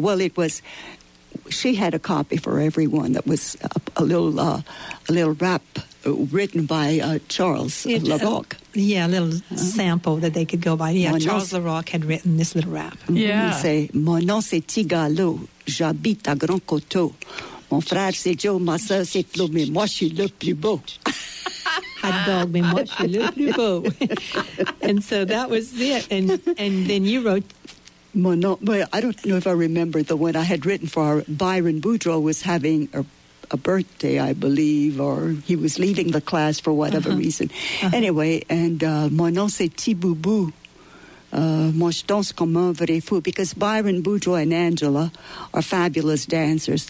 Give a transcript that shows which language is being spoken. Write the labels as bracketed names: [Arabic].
[English] Well, it was, she had a copy for everyone that was a little rap written by Charles Larocque. Yeah, a little sample that they could go by. Yeah, Charles Larocque had written this little rap. Yeah. He say, [French] "Mon nom c'est Tigalou, j'habite à Grand Coteau. Mon frère c'est Joe, ma soeur c'est Flo, mais moi je suis le plus beau." [English] Hot dog, [French] mais moi je suis le plus beau. [English] And so that was it. And then you wrote... [French] Mon nom, [English] well, I don't know if I remember the one I had written for Byron Boudreau was having a birthday, I believe, or he was leaving the class for whatever reason. Uh-huh. Anyway, and [French] mon nom c'est Tiboubou, moi je danse comme un vrai fou, [English] because Byron Boudreau and Angela are fabulous dancers.